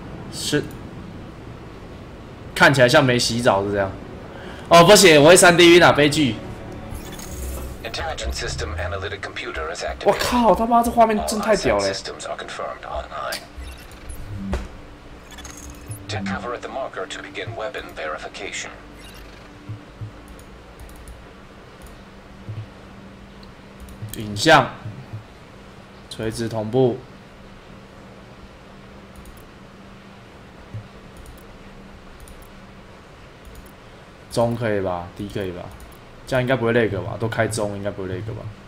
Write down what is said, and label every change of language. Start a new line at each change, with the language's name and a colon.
Chinese: 是，看起来像没洗澡是这样。哦，不行，我会3D晕啊，悲剧。
English: Intelligent system analytic computer is activated.
Chinese: 我靠，他妈这画面真太屌了。
English: Systems are confirmed online. To cover at the marker to begin weapon verification.
Chinese: 影像，垂直同步，中可以吧 ？D 可以吧？这样应该不会lag吧？都开中，应该不会lag吧？